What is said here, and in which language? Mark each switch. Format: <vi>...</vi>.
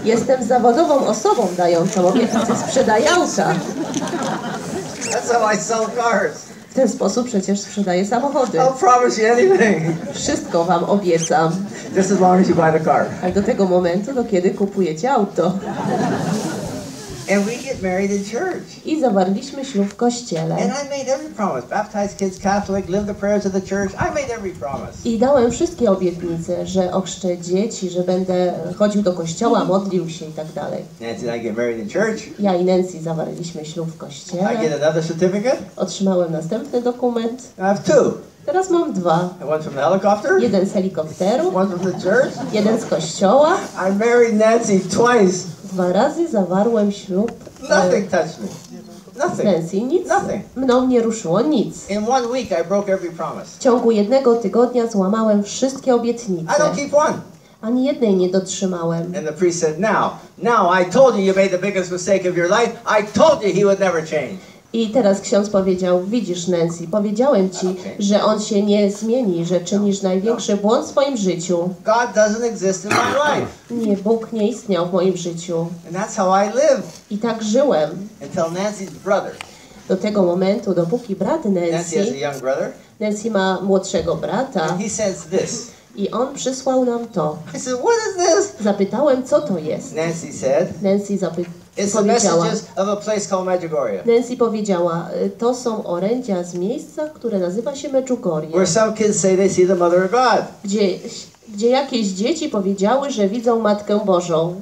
<pl>Jestem zawodową osobą dającą obietnice. Sprzedająca.</pl> <en>That's how I sell cars.</en> <pl>W ten sposób przecież sprzedaję samochody.</pl> <en>I'll promise you anything.</en> <pl>Wszystko wam obiecam.</pl> <en>Just as long as you buy the car.</en> <pl>Ale do tego momentu, do kiedy kupujecie auto.</pl> <en>And we get married in church.</en> <pl>I zawarliśmy ślub w kościele.</pl> <en>And I made every promise. Baptized kids, Catholic, live the prayers of the church. I made every promise.</en> <pl>I dałem wszystkie obietnice, że ochrzczę dzieci, że będę chodził do kościoła, modlił się i tak dalej.</pl> <en>Nancy and I get married in church.</en> <pl>Ja i Nancy zawarliśmy ślub w kościele.</pl> <en>I get another certificate.</en> <pl>Otrzymałem następny dokument.</pl> <en>I have two.</en> <pl>Teraz mam dwa.</pl> <en>One from the helicopter.</en> <pl>Jeden z helikopteru.</pl> <en>One from the church.</en> <pl>Jeden z kościoła.</pl> <en>I married Nancy twice.</en> <pl>Dwa razy zawarłem ślub.</pl> <en>Nothing touched me. Nothing.</en> <pl>Nancy, nic.</pl> <en>Nothing.</en> <pl>Mną nie ruszyło nic.</pl> <en>In one week I broke every promise.</en> <pl>W ciągu jednego tygodnia złamałem wszystkie obietnice.</pl> <en>I don't keep one.</en> <pl>Ani jednej nie dotrzymałem.</pl> <en>And the priest said, now I told you made the biggest mistake of your life. I told you he would never change.</en> <pl>I teraz ksiądz powiedział, widzisz Nancy, powiedziałem ci, że on się nie zmieni, że czynisz największy błąd w swoim życiu.</pl> <en>God doesn't exist in my life.</en> <pl>Nie, Bóg nie istniał w moim życiu.</pl> <en>And that's how I live.</en> <pl>I tak żyłem.</pl> <en>Until Nancy's brother.</en> <pl>Do tego momentu, dopóki brat Nancy,</pl> <en>Nancy, has a young brother.</en> <pl>Nancy ma młodszego brata.</pl> <en>And he says this.</en> <pl>I on przysłał nam to.</pl> <en>I said, what is this?</en> <pl>Zapytałem, co to jest.</pl> <en>Nancy said.</en> <pl>Nancy</pl> <en>It's the messages of a place called Medjugorje.</en> <pl>Nancy powiedziała, to są orędzia z miejsca, które nazywa się Medjugorje.</pl> <en>Where some kids say they see the Mother of God.</en> <pl>Gdzie jakieś dzieci powiedziały, że widzą Matkę Bożą.</pl>